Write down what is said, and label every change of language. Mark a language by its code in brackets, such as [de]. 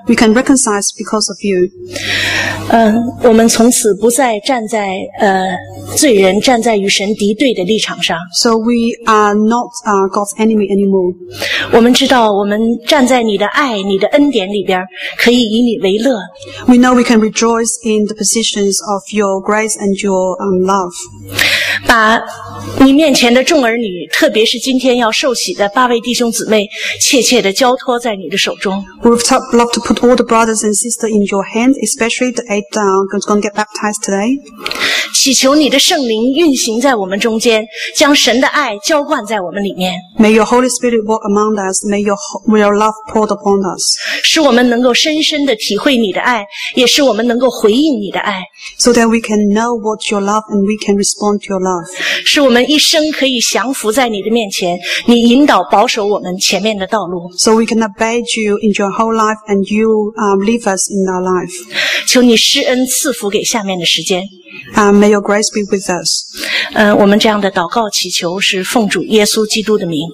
[en] We can reconcile because of you. [zh] 我们从此不再站在罪人站在与神敌对的立场上。 [en] So we are not God's enemy anymore. [zh] 我们知道我们站在你的爱你的恩典里边可以以你为乐。 [en] We know we can rejoice in the positions of your grace and your love. [zh] 把你面前的众儿女特别是今天要受洗的八位弟兄姊妹切切地交托在你的手中。 [en] We'd love to put all the brothers and sisters in your hands, especially the eight who's going to get baptized today. [zh] 祈求你的圣灵运行在我们中间，将神的爱浇灌在我们里面。 [en] May your Holy Spirit walk among us. May your love poured upon us. [zh] 使我们能够深深地体会你的爱，也使我们能够回应你的爱。 [en] So that we can know what your love and we can respond to your love. [zh] 使我们一生可以降服在你的面前，你引导保守我们前面的道路。 [en] So we can obey you in your whole life and you lead us in our life. [zh] 求你施恩赐福给下面的时间。 [en] May your grace be with us. [zh] 我们这样的祷告祈求是奉主耶稣基督的名。